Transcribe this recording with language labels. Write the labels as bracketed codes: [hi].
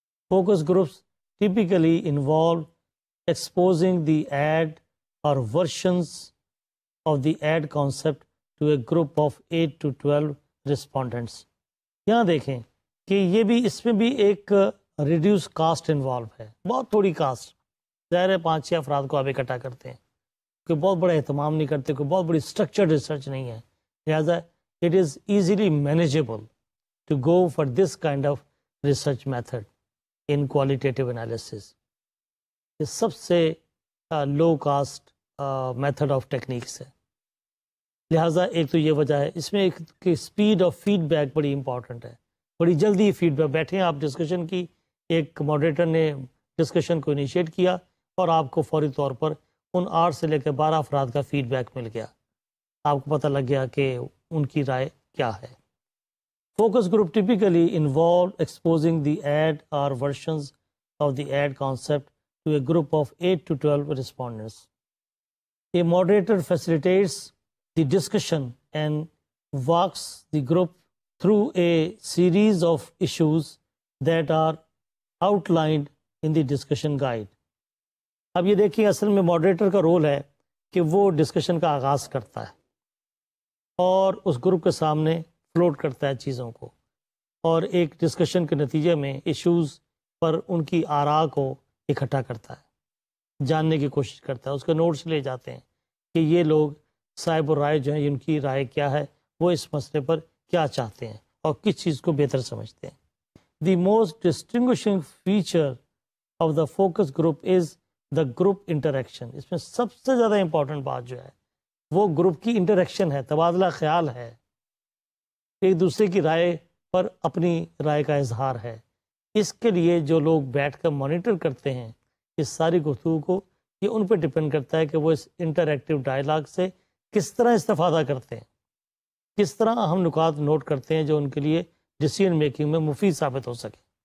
[en] Focus groups typically involve exposing the ad or versions of the ad concept to a group of 8 to 12 respondents. [ur] یہاں دیکھیں کہ یہ بھی اس میں بھی ایک ریڈیوس کاسٹ انوالو ہے, بہت تھوڑی کاسٹ, ظاہر ہے 5-6 افراد کو آپ اکٹھا کرتے ہیں, کوئی بہت بڑا اہتمام نہیں کرتے, کوئی بہت بڑی اسٹرکچرڈ ریسرچ نہیں ہے, لہٰذا it is easily manageable to go for this kind of research method in qualitative analysis. یہ سب سے [en] low cost method of techniques [ur] ہے. لہٰذا ایک تو یہ وجہ ہے. اس میں ایک کہ اسپیڈ آف فیڈ بیک بڑی امپورٹنٹ ہے, بڑی جلدی فیڈ بیک. بیٹھے ہیں آپ ڈسکشن کی, ایک ماڈریٹر نے ڈسکشن کو انیشیٹ کیا اور آپ کو فوری طور پر ان 8 سے لے کر 12 افراد کا فیڈ بیک مل گیا, آپ کو پتہ لگ گیا کہ ان کی رائے کیا ہے. [en] Focus group typically involve exposing the ad or versions of the ad concept to a group of 8 to 12 respondents. A moderator facilitates the discussion and walks the group through a series of issues that are outlined in the discussion guide. [ur] اب یہ دیکھیں, اصل میں moderator کا role ہے کہ وہ discussion کا آغاز کرتا ہے اور اس گروپ کے سامنے فلوٹ کرتا ہے چیزوں کو, اور ایک ڈسکشن کے نتیجے میں ایشوز پر ان کی آراء کو اکٹھا کرتا ہے, جاننے کی کوشش کرتا ہے, اس کے نوٹس لے جاتے ہیں کہ یہ لوگ صاحب رائے جو ہیں ان کی رائے کیا ہے, وہ اس مسئلے پر کیا چاہتے ہیں اور کس چیز کو بہتر سمجھتے ہیں. [en] The most distinguishing feature of the focus group is the group interaction. [ur] اس میں سب سے زیادہ امپورٹنٹ بات جو ہے وہ گروپ کی انٹریکشن ہے, تبادلہ خیال ہے, ایک دوسرے کی رائے پر اپنی رائے کا اظہار ہے. اس کے لیے جو لوگ بیٹھ کر مانیٹر کرتے ہیں اس ساری گفتگو کو, یہ ان پہ ڈپینڈ کرتا ہے کہ وہ اس انٹریکٹیو ڈائیلاگ سے کس طرح استفادہ کرتے ہیں, کس طرح اہم نکات نوٹ کرتے ہیں جو ان کے لیے ڈیسیژن میکنگ میں مفید ثابت ہو سکے.